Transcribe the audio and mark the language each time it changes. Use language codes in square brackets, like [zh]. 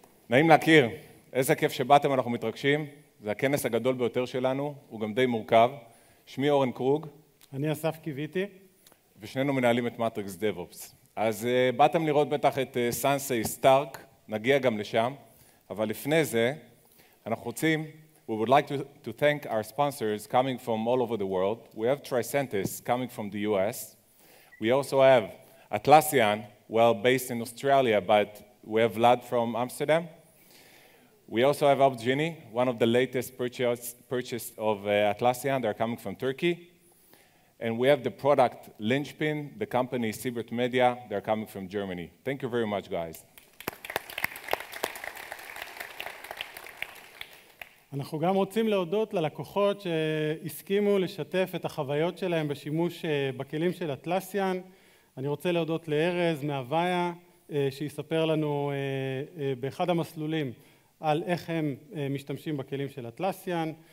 [he] נעים להכיר, איזה כיף שבאתם, אנחנו מתרגשים. זה הכנס הגדול ביותר שלנו, הוא גם די מורכב. שמי אורן קרוג. אני אסף קיוויתי. ושנינו מנהלים את מטריקס דאב-אופס. אז באתם לראות בטח את סנסי סטארק, נגיע גם לשם. אבל לפני זה, אנחנו רוצים... [en] We would like to thank our sponsors coming from all over the world. We have Tricentis coming from the US. We also have Atlassian, well based in Australia, but we have Vlad from Amsterdam. We also have Opsgenie, one of the latest purchase of Atlassian. They're coming from Turkey. And we have the product Linchpin, the company Siebert Media. They're coming from Germany. Thank you very much, guys. [he] אנחנו גם רוצים להודות ללקוחות שהסכימו לשתף את החוויות שלהם בשימוש בכלים של אטלסיאן. אני רוצה להודות לארז מהוויה, שיספר לנו באחד המסלולים על איך הם משתמשים בכלים של אטלסיאן.